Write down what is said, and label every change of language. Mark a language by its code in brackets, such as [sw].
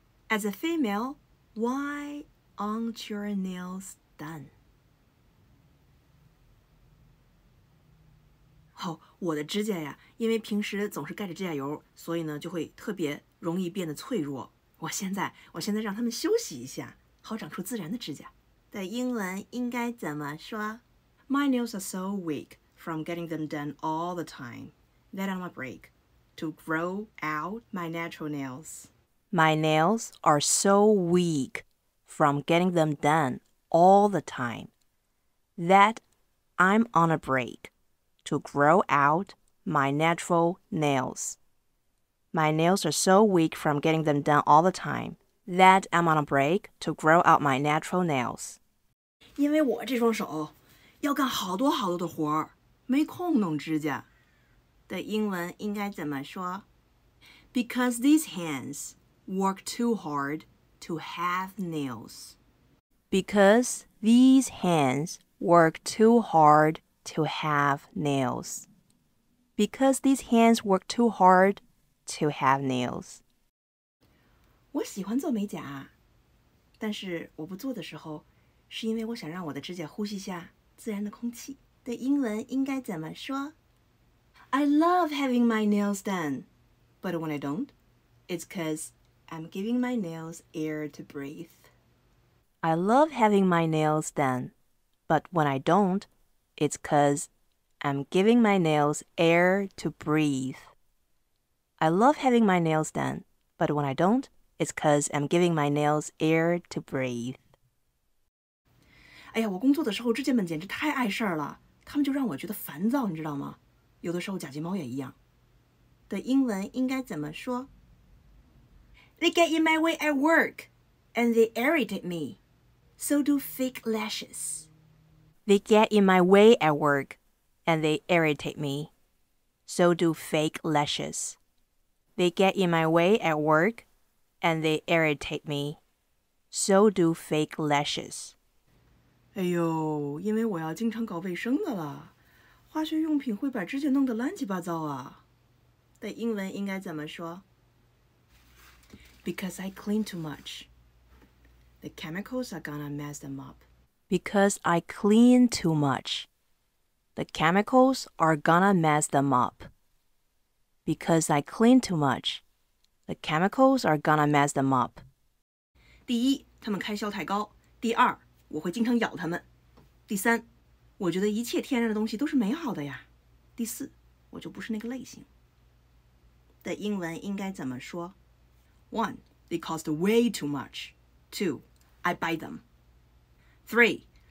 [en] As a female, why aren't your nails done? [zh] 好，我的指甲呀，因为平时总是盖着指甲油，所以呢就会特别容易变得脆弱。我现在让他们休息一下，好长出自然的指甲。的英文应该怎么说？ [en] My nails are so weak from getting them done all the time that I'm on a break to grow out my natural nails. My nails are so weak from getting them done all the time that I'm on a break. To grow out my natural nails. My nails are so weak from getting them done all the time that I'm on a break to grow out my natural nails. [zh] 因为我这双手要干好多好多的活儿，没空弄指甲。的英文应该怎么说？ [en] Because these hands work too hard to have nails. Because these hands work too hard. To have nails. Because these hands work too hard to have nails. [zh] 我喜欢做美甲，但是我不做的时候，是因为我想让我的指甲呼吸下自然的空气。的英文应该怎么说？ [en] I love having my nails done, but when I don't, it's because I'm giving my nails air to breathe. I love having my nails done, but when I don't,It's 'cause I'm giving my nails air to breathe. I love having my nails done, but when I don't, it's 'cause I'm giving my nails air to breathe. [zh] 哎呀，我工作的时候，指甲们简直太碍事儿了，他们就让我觉得烦躁，你知道吗？有的时候假睫毛也一样。的英文应该怎么说？ [en] They get in my way at work, and they irritate me. So do fake lashes. They get in my way at work, and they irritate me. So do fake lashes. They get in my way at work, and they irritate me. So do fake lashes. [zh] 哎呦，因为我要经常搞卫生的啦，化学用品会把指甲弄得乱七八糟啊。的英文应该怎么说？ [en] Because I clean too much. The chemicals are gonna mess them up. Because I clean too much, the chemicals are gonna mess them up. Because I clean too much, the chemicals are gonna mess them up. [zh] 第一，他们开销太高。第二，我会经常咬他们。第三，我觉得一切天然的东西都是美好的呀。第四，我就不是那个类型。的英文应该怎么说？ [en] One, they cost way too much. Two, I buy them. 3.